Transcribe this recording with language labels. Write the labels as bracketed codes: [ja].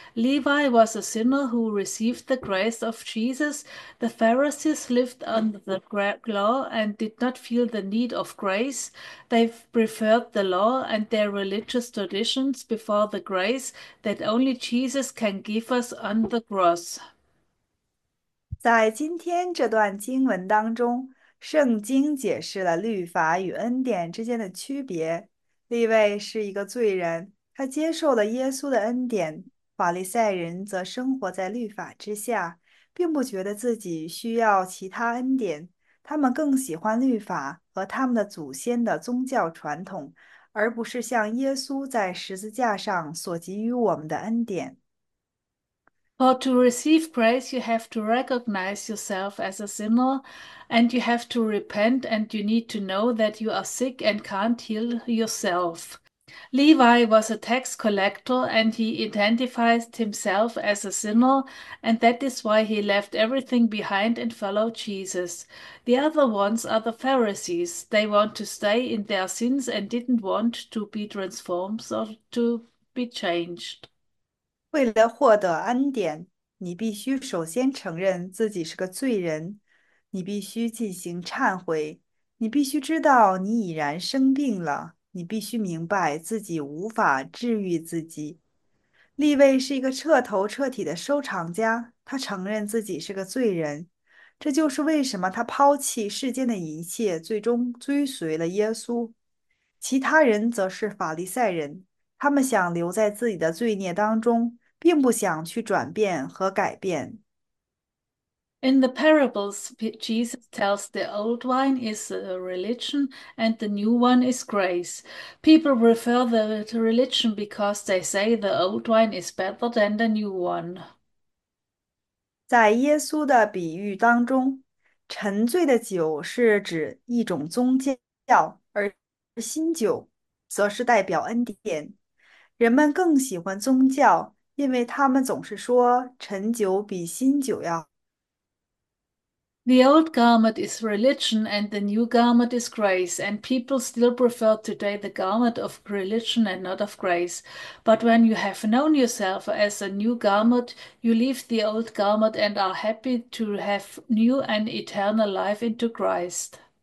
[en] Levi was a sinner who received the grace of Jesus. The Pharisees lived under the law and did not feel the need of grace. They preferred the law and their religious traditions before the grace that only Jesus can give us on the cross. [zh] 在今天这段经文当中，圣经解释了律法与恩典之间的区别。利未是一个罪人，他接受了耶稣的恩典；法利赛人则生活在律法之下，并不觉得自己需要其他恩典。他们更喜欢律法和他们的祖先的宗教传统，而不是像耶稣在十字架上所给予我们的恩典。 [en] For to receive grace, you have to recognize yourself as a sinner, and you have to repent, and you need to know that you are sick and can't heal yourself. Levi was a tax collector, and he identified himself as a sinner, and that is why he left everything behind and followed Jesus. The other ones are the Pharisees. They want to stay in their sins and didn't want to be transformed or to be changed. [zh] 为了获得恩典，你必须首先承认自己是个罪人，你必须进行忏悔，你必须知道你已然生病了，你必须明白自己无法治愈自己。利未是一个彻头彻底的收藏家，他承认自己是个罪人，这就是为什么他抛弃世间的一切，最终追随了耶稣。其他人则是法利赛人，他们想留在自己的罪孽当中，并不想去转变和改变。 [en] In the parables, Jesus tells the old wine is religion and the new one is grace. People prefer the religion because they say the old wine is better than the new one. [zh] 在耶稣的比喻当中，沉醉的酒是指一种宗教，而新酒则是代表恩典。人们更喜欢宗教，因为他们总是说陈酒比新酒要。 [en] The old garment is religion and the new garment is grace, and people still prefer today the garment of religion and not of grace. But when you have known yourself as a new garment, you leave the old garment and are happy to have new and eternal life into Christ.